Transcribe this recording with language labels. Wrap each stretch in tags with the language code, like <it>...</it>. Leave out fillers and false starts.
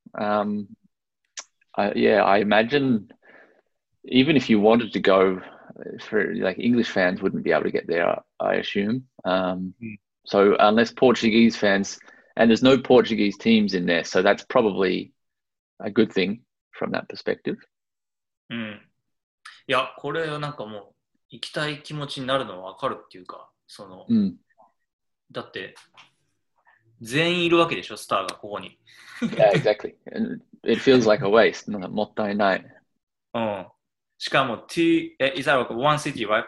<en>I imagine, even if you wanted to go, for like English fans wouldn't be able to get there, I assume. So unless Portuguese fans, and there's no Portuguese teams in there, so that's probably a good thing from that perspective.</en> <ja>いや、これはなんかもう行きたい気持ちになるのはわかるっていうか、その、だって全員いるわけでしょ、スターがここに。</ja> <en>Yeah, exactly. And it feels like a waste.</en> <ja>もったいない。</ja> <en>Is that like one city, right?</en>